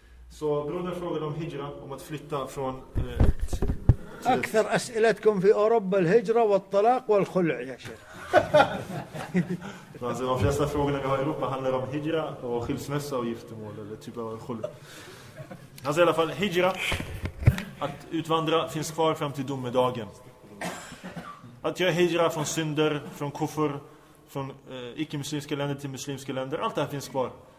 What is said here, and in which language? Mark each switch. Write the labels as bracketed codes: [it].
[sv] So, broder frågar om hijra, om att flytta från... [ar] أكثر أسئلتكم في أوروبا الهجرة والطلاق والخلع يا شيخ. [sv] Alltså de flesta frågorna vi har i Europa handlar om hijra och skilsmässa och giftermål eller typ av skulle. Alltså i alla fall hijra, att utvandra, finns kvar fram till domedagen. Att göra hijra från synder, från kuffer, från icke-muslimska länder till muslimska länder, allt det här finns kvar.